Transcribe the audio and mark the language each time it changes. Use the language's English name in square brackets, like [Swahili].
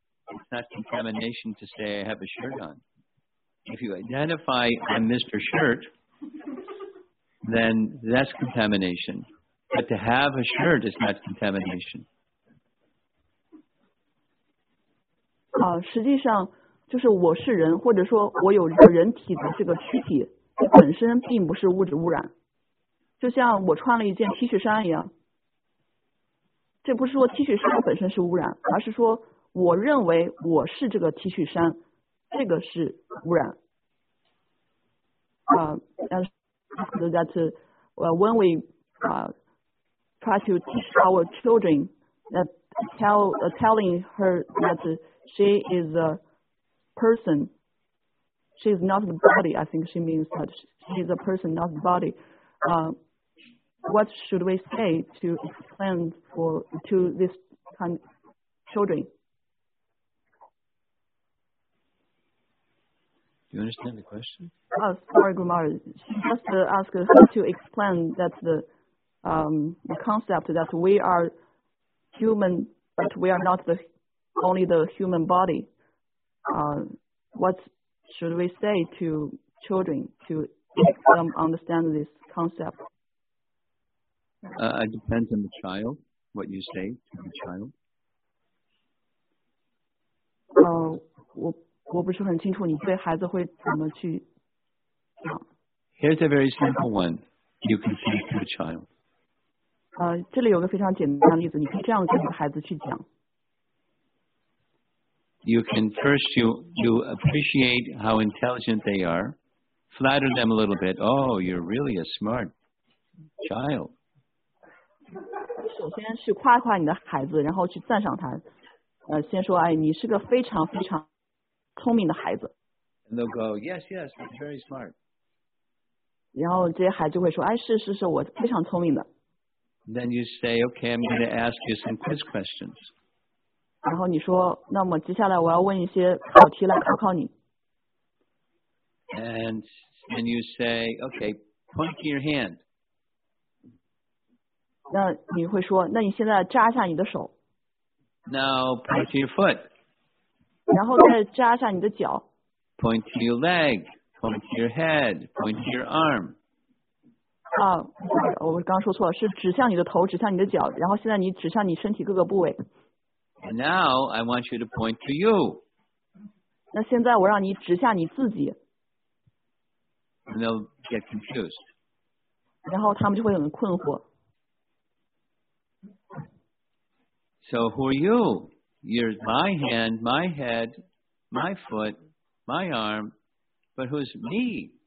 [English] It's not contamination to say I have a shirt on. If you identify I'm Mr. Shirt, then that's contamination. But to have a shirt is not contamination. [Chinese] 实际上就是我是人，或者说我有这个人体的这个躯体，本身并不是物质污染。就像我穿了一件 T 恤衫一样，这不是说 T 恤衫本身是污染，而是说我认为我是这个 T 恤衫，这个是污染。 [English] That when we try to teach our children that telling her that she is a person, she is not the body. I think she means that she is a person, not the body. What should we say to explain to this kind of children? Do you understand the question? Sorry, grandmother. Just ask her to explain that the concept that we are human, but we are not only the human body. What should we say to children to make them understand this concept? It depends on the child, what you say to the child. [Chinese] 我不是很清楚你对孩子会怎么去讲。 [English] Here's a very simple one you can say to the child. [Chinese] 这里有个非常简单的例子，你可以这样跟孩子去讲。 [English] You can first you appreciate how intelligent they are, flatter them a little bit. Oh, you're really a smart child. [Chinese] 你首先去夸夸你的孩子，然后去赞赏他。先说，哎，你是个非常非常聪明的孩子。 [English] And they'll go, yes, yes, you're very smart. [Chinese] 然后这些孩子就会说，哎，是是是，我非常聪明的。 [English] Then you say, okay, I'm going to ask you some quiz questions. [Chinese] 然后你说，那么接下来我要问一些考题来考考你。 [English] And you say, okay, point your hand. [Chinese] 那你会说，那你现在扎下你的手。 [English] Now point your foot. [Chinese] 然后再扎下你的脚。 [English] Point your leg, point your head, point your arm. [Chinese] 我刚说错了，是指向你的头，指向你的脚，然后现在你指向你身体各个部位。 [English] And now I want you to point to you. [Chinese] 那现在我让你指向你自己。 [English] And they'll get confused. [Chinese] 然后他们就会很困惑。 [English] So who are you? You're my hand, my head, my foot, my arm. But who's me?